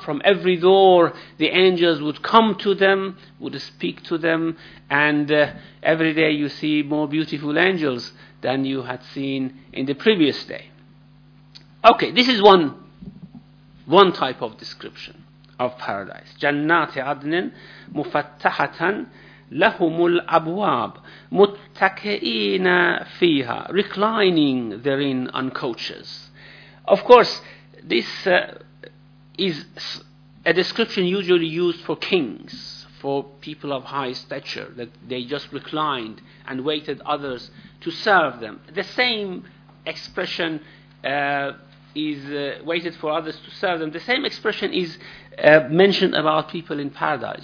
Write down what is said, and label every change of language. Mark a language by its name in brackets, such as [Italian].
[English] From every door, the angels would come to them, would speak to them. And every day you see more beautiful angels than you had seen in the previous day. Okay, this is one type of description of paradise. [Arabic] جَنَّاتِ عَدْنٍ مُفَتَّحَةً لَهُمُ الْأَبْوَابِ مُتَّكَئِينَ فِيهَا, [English] reclining therein on couches. Of course, this is a description usually used for kings, for people of high stature, that they just reclined and waited others to serve them. The same expression is waited for others to serve them. The same expression is mentioned about people in paradise.